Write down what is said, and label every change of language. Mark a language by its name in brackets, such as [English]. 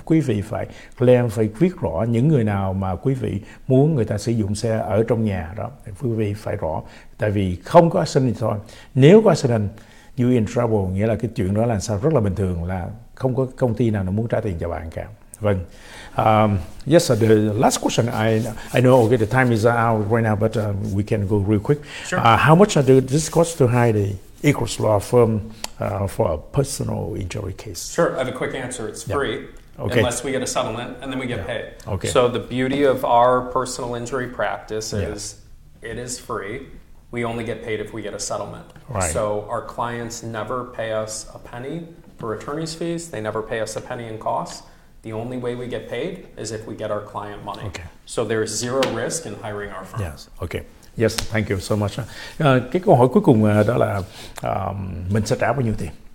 [Vietnamese] Quý vị phải claim, phải viết rõ những người nào mà quý vị muốn người ta sử dụng xe ở trong nhà đó, quý vị phải rõ. Tại vì không có accident thôi, nếu có accident, [English] you in trouble, [Vietnamese] nghĩa là cái chuyện đó là sao, rất là bình thường, là không có công ty nào nó muốn trả tiền cho bạn cả. Vâng. [English] Yes, the last question, I know, okay, the time is out right now, but we can go real quick. Sure. How much do this cost to hire the Agruss law firm for a personal injury case? Sure, I have a quick answer. It's free, yeah. okay. unless we get a settlement, and then we get yeah. paid. Okay. So the beauty of our personal injury practice is yeah. it is free. We only get paid if we get a settlement. Right. So our clients never pay us a penny for attorney's fees. They never pay us a penny in costs. The only way we get paid is if we get our client money. Okay. So there is zero risk in hiring our firm. Yes, okay. Yes, thank you so much. [Vietnamese] Cái câu hỏi cuối cùng đó là mình sẽ trả bao nhiêu tiền?